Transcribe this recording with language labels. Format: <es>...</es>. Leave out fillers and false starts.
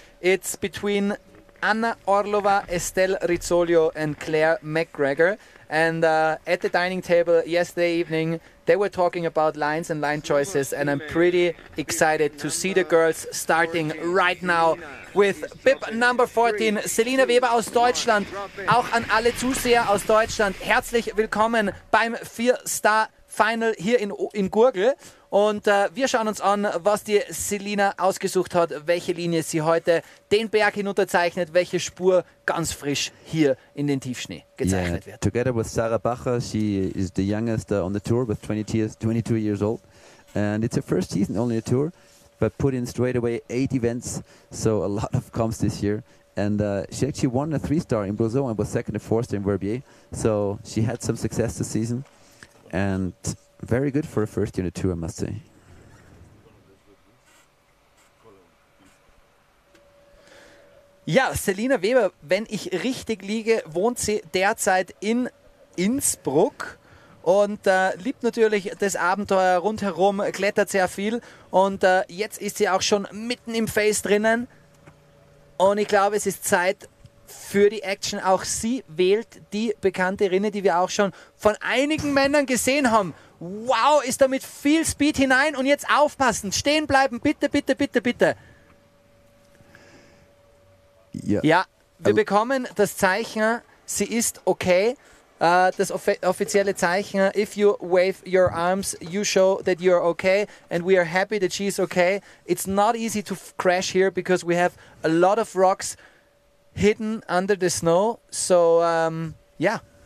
<en>It's between Anna Orlova, Estelle Rizzolio, and Claire McGregor. And at the dining table yesterday evening, they were talking about lines and line choices, and I'm pretty excited to see the girls starting right now with BIP number 14, Selina Weber</en> <de>aus Deutschland. Auch an alle Zuseher aus Deutschland, herzlich willkommen beim 4-Star Final hier in Gurgl, und wir schauen uns an, was die Selina ausgesucht hat, welche Linie sie heute den Berg hinunterzeichnet, welche Spur ganz frisch hier in den Tiefschnee gezeichnet wird.</de> <en>Together with Sarah Bacher, she is the youngest on the tour with 22 years old, and it's her first season only a tour, but put in straight away 8 events, so a lot of comps this year. And she actually won a 3-star in Brazil and was second and fourth in Verbier, so she had some success this season. And very good for a first unit tour, I must say.</en> <de>Ja, Selina Weber, wenn ich richtig liege, wohnt sie derzeit in Innsbruck und liebt natürlich das Abenteuer rundherum, klettert sehr viel, und jetzt ist sie auch schon mitten im Face drinnen, und ich glaube, es ist Zeit für die Action. Auch sie wählt die bekannte Rinne, die wir auch schon von einigen Männern gesehen haben. Wow, ist da mit viel Speed hinein, und jetzt aufpassen, stehen bleiben, bitte, bitte, bitte, bitte. Ja, ja, wir bekommen das Zeichen, sie ist okay. Das offizielle Zeichen,</de> <en>if you wave your arms, you show that you are okay, and we are happy that she is okay. It's not easy to crash here, because we have a lot of rocks hidden under the snow, so yeah.</en>